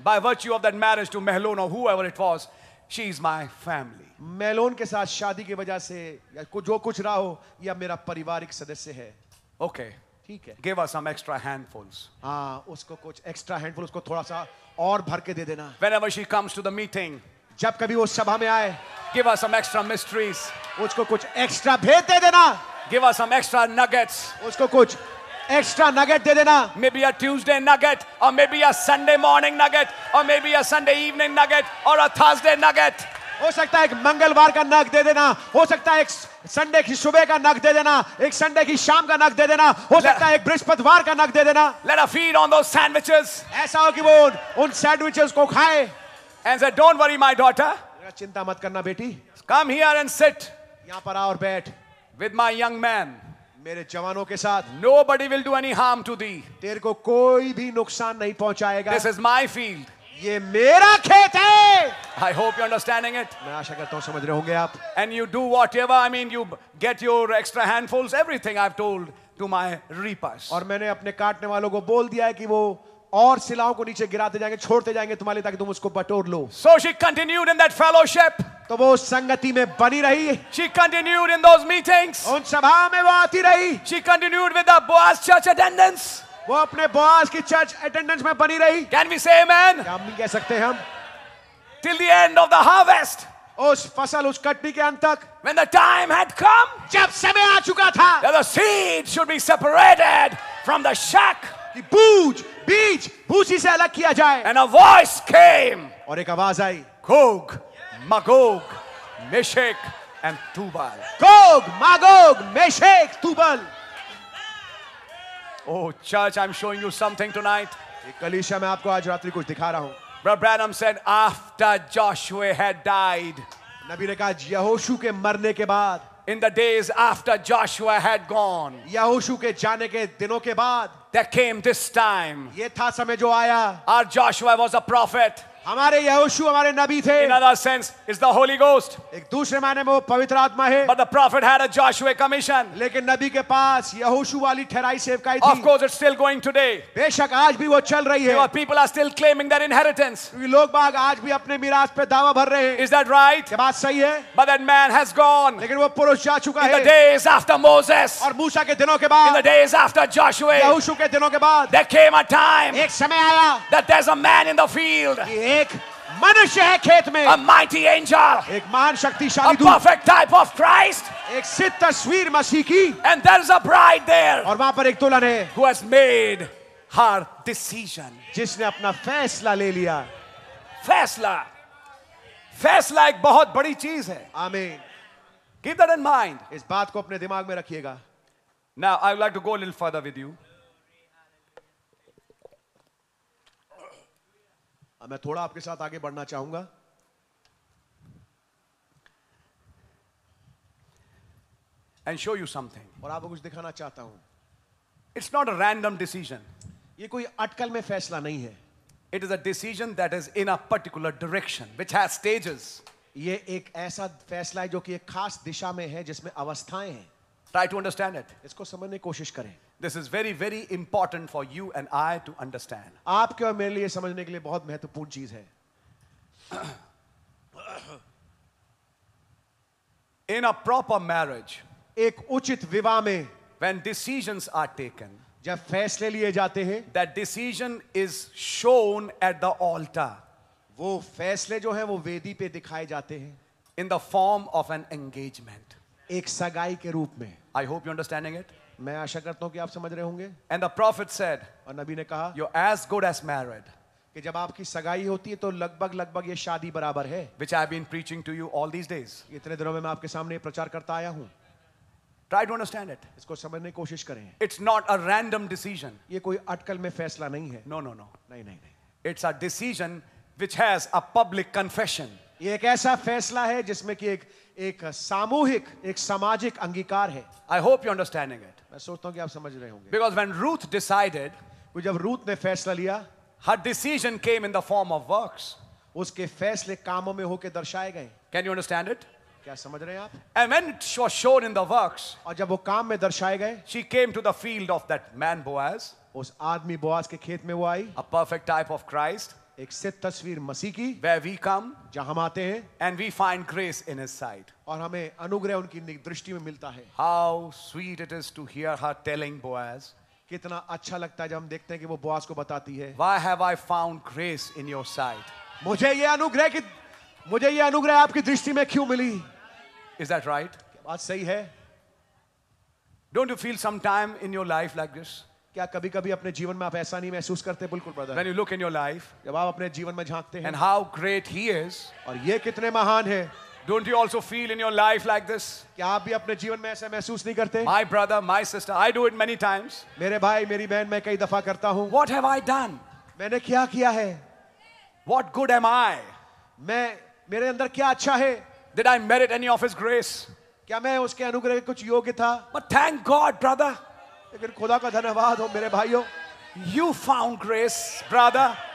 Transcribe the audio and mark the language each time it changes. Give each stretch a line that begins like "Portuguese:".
English: By virtue of that marriage to Mahlon or whoever it was, she is my family.
Hindi: Mahlon के साथ शादी की वजह से या जो कुछ रहा हो यह मेरा पारिवारिक सदस्य है.
English: Okay.
Hindi: ठीक है.
English: Give us some extra handfuls.
Hindi: हाँ उसको कुछ
English: extra handfuls
Hindi: उसको थोड़ा सा और भर के दे देना.
English: Whenever she comes to the meeting.
Hindi: जब कभी वो सभा में आए.
English: Give us some extra mysteries.
Hindi: उसको कुछ एक्स्ट्रा भेद दे देना.
English: Give us some extra nuggets.
Hindi: उसको कुछ एक्स्ट्रा नगेट दे देना.
English: Maybe a Tuesday nugget, or maybe a Sunday morning nugget, or maybe a Sunday evening nugget, or a Thursday nugget.
Hindi: हो सकता है एक मंगलवार का नग दे देना. हो सकता है एक संडे की सुबह का नग दे देना. एक संडे की शाम का नग दे देना. हो सकता है एक बृहस्पतिवार का नग दे देना.
English: Let us feed on those sandwiches.
Hindi: ऐसा हो कि वो उन सैंडविचेस को खाए.
English: And said, "Don't worry, my daughter.
Hindi: चिंता मत करना बेटी.
English: Come here and sit.
Hindi: यहाँ पर आ और बैठ.
English: With my young man.
Hindi: मेरे जवानों के साथ.
English: Nobody will do any harm to thee.
Hindi: तेरे को कोई भी नुकसान नहीं पहुँचाएगा.
English: This is my field.
Hindi: ये मेरा खेत है.
English: I hope you're understanding it.
Hindi: मैं आशा करता हूँ समझ रहे होंगे आप.
English: And you do whatever. I mean, you get your extra handfuls. Everything I've told to my reapers.
Hindi: और मैंने अपने काटने वालों को बोल दिया है कि वो और सिलाओं को नीचे गिराते जाएंगे छोड़ते जाएंगे तुम्हारे ताकि तुम उसको बटोर लो.
English: So she continued in that fellowship.
Hindi: तो वो संगति में बनी रही.
English: She continued in those meetings.
Hindi: उन सभा में वो आती रही.
English: She continued with the Boaz church attendance.
Hindi: वो अपने बोआज की चर्च अटेंडेंस में बनी रही.
English: Can we say amen?
Hindi: क्या हम नहीं कह सकते हम?
English: Till the end of the harvest.
Hindi: उस फसल उस कटनी के अंत तक.
English: When the time had come.
Hindi: जब समय आ चुका था.
English: That the seed should be separated from the shack.
Hindi: बूझ बीज भूसी से अलग किया जाए.
English: And a voice came.
Hindi: और एक आवाज आई.
English: Gog, Magog, Meshech and Tubal. Gog, Magog, Meshech, Tubal. Oh church, I'm showing you something tonight.
Hindi: कलीसिया मैं आपको आज रात्रि कुछ दिखा रहा हूं.
English: Brother Branham said, after Joshua had died.
Hindi: Nabi ne kaha Yahoshu ke marne ke baad.
English: In the days after Joshua had gone.
Hindi: Yahoshu ke jaane ke dinon ke baad.
English: There came this time.
Hindi: Ye tha samay jo aaya.
English: Our Joshua was a prophet.
Hindi: हमारे यहोशू हमारे नबी थे.
English: In other sense, is the Holy Ghost.
Hindi: एक दूसरे माने में वो पवित्र आत्मा है.
English: But the prophet had a Joshua commission.
Hindi: लेकिन नबी के पास यहोशू वाली ठहराई सेवकाई थी.
English: Of course, it's still going today.
Hindi: बेशक आज भी वो चल रही है.
English: Your people are still claiming their inheritance.
Hindi: लोग बाग आज भी अपने मीराज पे दावा भर रहे हैं.
English: Is that right?
Hindi: ये बात सही है.
English: But that man has gone.
Hindi: लेकिन वो पुरुष जा चुका है.
English: In the days after Moses.
Hindi: और मूसा के दिनों के बाद.
English: In the days after Joshua.
Hindi: यहोशू के दिनों के बाद.
English: There came a time.
Hindi: एक समय आया.
English: That there's a man in the field.
Hindi: एक मनुष्य है खेत में.
English: A mighty angel.
Hindi: एक महान शक्तिशाली दूत.
English: A perfect type of Christ.
Hindi: एक सिद्ध तस्वीर मसीह की.
English: And there's a bride there.
Hindi: और वहां पर एक दुल्हन है.
English: Who has made her decision.
Hindi: जिसने अपना फैसला ले लिया. फैसला. फैसला एक बहुत बड़ी चीज है. आमीन.
English: Keep that in mind.
Hindi: इस बात को अपने दिमाग में रखिएगा.
English: Now I would like to go a little further with you.
Hindi: मैं थोड़ा आपके साथ आगे बढ़ना चाहूंगा.
English: And show you something.
Hindi: और आपको कुछ दिखाना चाहता हूं.
English: It's not a random decision.
Hindi: ये कोई अटकल में फैसला नहीं है.
English: It is a decision that is in a particular direction which has stages.
Hindi: ये एक ऐसा फैसला है जो कि एक खास दिशा में है जिसमें अवस्थाएं हैं.
English: Try to understand it.
Hindi: इसको समझने की कोशिश करें.
English: This is very, very important for you and I to understand.
Hindi: आपके और मेरे लिए समझने के लिए बहुत महत्वपूर्ण चीज है.
English: In a proper marriage,
Hindi: एक उचित विवाह में,
English: when decisions are taken,
Hindi: जब फैसले लिए जाते हैं,
English: that decision is shown at the altar.
Hindi: वो फैसले जो है वो वेदी पे दिखाए जाते हैं.
English: In the form of an engagement,
Hindi: एक सगाई के रूप में.
English: I hope you're understanding it.
Hindi: मैं आशा करता हूं कि आप समझ रहे होंगे.
English: And the prophet said,
Hindi: और नबी ने कहा,
English: you're as good as married.
Hindi: कि जब आपकी सगाई होती है तो लगभग लगभग ये शादी बराबर है.
English: Which I've been preaching to you all these days.
Hindi: इतने दिनों में मैं आपके सामने प्रचार करता आया हूं.
English: Try to understand it.
Hindi: इसको समझने की कोशिश करें.
English: It's not a random decision.
Hindi: ये कोई अटकल में फैसला नहीं है.
English: No, no, no.
Hindi: नहीं, नहीं, नहीं.
English: It's a decision which has a public confession.
Hindi: ये एक ऐसा फैसला है जिसमें कि एक सामूहिक एक सामाजिक अंगीकार है.
English: I hope you're understanding it.
Hindi: मैं सोचता हूं कि आप समझ रहे होंगे.
English: Because when Ruth decided,
Hindi: जब रूथ ने फैसला लिया,
English: her decision came in the form of works.
Hindi: उसके फैसले कामों में होकर दर्शाए गए.
English: Can you understand it?
Hindi: क्या समझ रहे हैं आप?
English: And when it was shown in the works,
Hindi: और जब वो काम में दर्शाए गए,
English: she came to the field of that man Boaz.
Hindi: उस आदमी बोआज के खेत में वो आई.
English: A perfect type of Christ.
Hindi: एक सिद्ध तस्वीर मसीह की.
English: Where we come,
Hindi: जहां हम आते हैं.
English: And we find grace in his sight.
Hindi: और हमें अनुग्रह उनकी दृष्टि में मिलता है.
English: How sweet it is to hear her telling Boaz.
Hindi: कितना अच्छा लगता है जब हम देखते हैं कि वो बोआज को बताती है.
English: Why have I found grace in your sight?
Hindi: मुझे ये अनुग्रह आपकी दृष्टि में क्यों मिली.
English: Is that right?
Hindi: बात सही है.
English: Don't you feel some time in your life like this?
Hindi: क्या कभी कभी अपने जीवन में आप ऐसा नहीं महसूस करते? बिल्कुल brother.
English: When you look in your life,
Hindi: जब आप अपने जीवन में झांकते हैं,
English: and how great he is,
Hindi: और ये कितने महान है.
English: Don't you also feel in your life like this?
Hindi: क्या आप भी अपने जीवन में ऐसा महसूस नहीं करते?
English: My brother, my sister, I do it many times.
Hindi: मेरे भाई, मेरी बहन, मैं कई दफा करता हूं.
English: What have I done?
Hindi: मैंने क्या किया है?
English: What good am I?
Hindi: मैं मेरे अंदर क्या अच्छा है?
English: Did I merit any of his grace?
Hindi: क्या मैं उसके अनुग्रह के कुछ योग्य था?
English: But thank God, brother.
Hindi: लेकिन खुदा का धन्यवाद हो मेरे भाइयों.
English: You found grace, brother.